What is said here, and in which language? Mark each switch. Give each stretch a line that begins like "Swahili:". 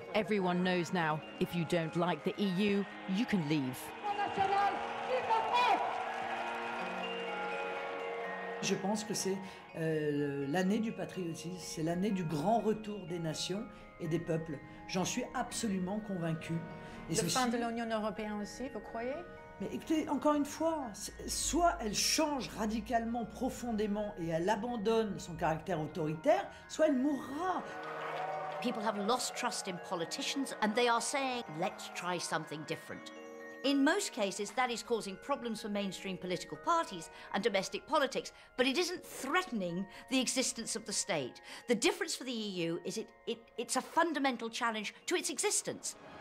English: Everyone knows now, if you don't like the EU, you can leave.
French: Je pense que c'est l'année du patriotisme, c'est l'année du grand retour des nations et des peuples. J'en suis absolument convaincu. Et la fin de l'Union européenne aussi, vous croyez? Mais écoutez, encore une fois, soit elle change radicalement, profondément, et elle abandonne son caractère autoritaire, soit elle mourra.
English: People have lost trust in politicians, and they are saying, let's try something different. In most cases, that is causing problems for mainstream political parties and domestic politics, but it isn't threatening the existence of the state. The difference for the EU is it's a fundamental challenge to its existence.